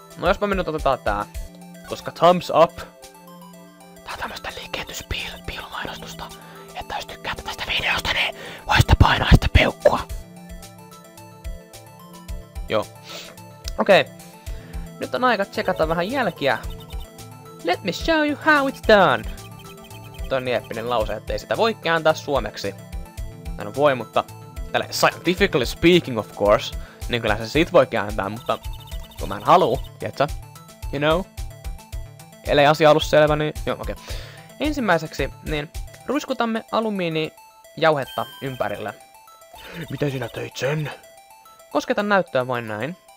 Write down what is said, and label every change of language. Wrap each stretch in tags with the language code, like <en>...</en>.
<fi>No jospa minut otetaan tää. Koska</fi> <en>thumbs up!</en> <fi>Tää on tämmöstä liikehdyspiilomainostusta. Että jos tykkäät tästä videosta, niin voisitte painaa sitä peukkua. Joo. Okei. Nyt on aika tsekata vähän jälkiä.</fi> <en>Let me show you how it's done.</en> <fi>Toi on niin eppinen lause, ettei sitä voi kääntää suomeksi. No voi, mutta... Tälle,</fi> <en>scientifically speaking, of course.</en> <fi>Niin kyllä se sit voi kääntää, mutta... Kun mä en haluu, tietsä?</fi> <en>You know?</en> <fi>Ellei asia ollut selvä, niin... Joo, okei. Ensimmäiseksi, niin... Ruiskutamme alumiinijauhetta ympärille. Miten sinä teit sen? Kosketa näyttöä vain näin.</fi>